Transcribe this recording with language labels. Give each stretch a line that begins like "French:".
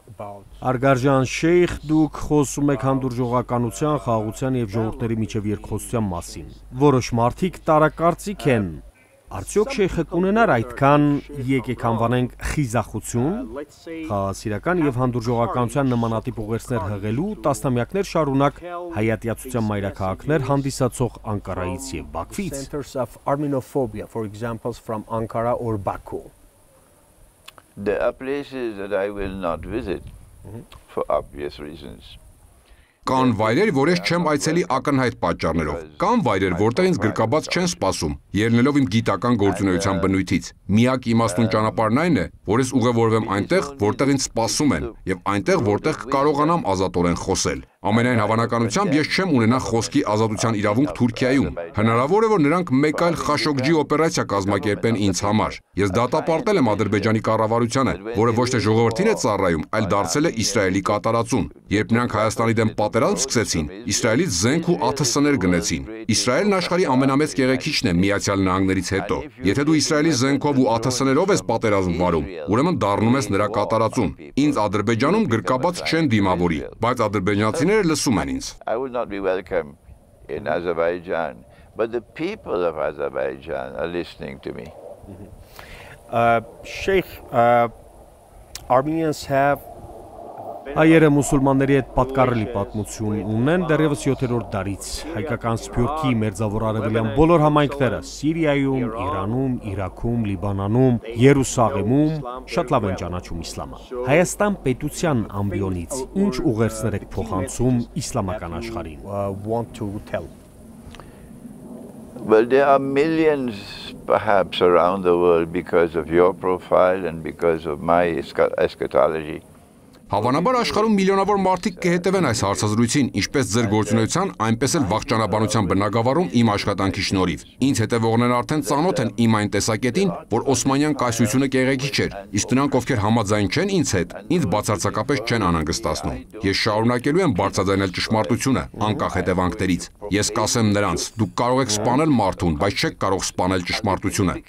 Armenian: Արգարժան Շեյխ, դուք խոսում եք հանդուրժողականության, խաղաղության եւ ժողովրդերի միջև երկխոսության մասին։ Որոշ մարդիկ տարակարծիք են, արդյոք Շեյխը կունենար այդքան, եկեք անվանենք, խիզախություն, խաղաղասիրական եւ հանդուրժողականության նմանատիպ ուղերձներ հղելու տասնամյակներ շարունակ հայատյացության մայրաքաղաքներ հանդիսացող Անկարայից եւ Բաքվից։
English: There are places that I will not visit for obvious reasons.
Armenian: Կան վայրեր, որ ես չեմ այցելի ակնհայտ պատճառներով։ Կան վայրեր, որտեղ ինձ գրկաբաց չեն սպասում, ելնելով իմ գիտական գործունեության բնույթից։ Միակ իմաստուն ճանապարհն այն է, որ ես ուղևորվեմ այնտեղ, որտեղ ինձ սպասում են, եւ այնտեղ, որտեղ կարողանամ ազատորեն խոսել։ Ամենայն հավանականությամբ ես չեմ ունենա խոսքի ազատության իրավունք Թուրքիայում։ Հնարավոր է, որ նրանք մեկ այլ խաշոգջի օպերացիա կազմակերպեն ինձ համար։ Ես դատապարտել եմ Ադրբեջանի կառավարությանը, որը ոչ թե ժողովրդին է ծառայում, այլ դարձել է Իսրայելի կատարածուն։ Երբ նրանք Հայաստանի դեմ պատերազմ սկսեցին, Իսրայելից զենք ու ԱԹՍ-ներ գնեցին։ Իսրայելն աշխարհի ամենամեծ կեղեքիչն է Միացյալ Նահանգներից հետո։ Եթե դու Իսրայելի զենքով ու ԱԹՍ-ներով ես պատերազմ վարում, ուրեմն դառնում ես նրա կատարածուն։ Ինձ Ադրբեջանում գրկաբաց չեն դիմավորի, բայց ադրբեջանցիները լսում են ինձ։
English: I would not be welcome in Azerbaijan, but the people of Azerbaijan are listening to me. Sheikh, Armenians have
Armenian: Հայերը մուսուլմանների հետ պատկառելի պատմություն ունեն դեռևս 7-րդ դարից։ Հայկական Սփյուռքի մերձավոր արևելյան բոլոր համայնքները՝ Սիրիայում, Իրանում, Իրաքում, Լիբանանում, Երուսաղեմում, շատ լավ են ճանաչում իսլամը։ Հայաստան պետության ամբիոնից ի՞նչ ուղերձներ եք փոխանցում իսլամական աշխարհին։
English: Well, there are millions perhaps around the world because of your profile and because of my eschatology.
Armenian: Հավանաբար աշխարհում միլիոնավոր մարդիկ կհետևեն այս հարցազրույցին, ինչպես ձեր գործունեության, այնպես էլ վաղճանաբանության բնագավառում իմ աշխատանքի շնորհիվ։ Ինձ հետևողները արդեն ծանոթ են իմ այն տեսակետին, որ Օսմանյան կայսրությունը կեղեքիչ էր, իսկ նրանք, ովքեր համաձայն չեն ինձ հետ, ինձ բացարձակապես չեն անհանգստացնում։ Ես շարունակելու եմ բարձրաձայնել ճշմարտությունը, անկախ հետևանքներից։ Ես կասեմ նրանց, դուք կարող եք սպանել մարդուն, բայց չեք կարող սպանել ճշմարտությունը։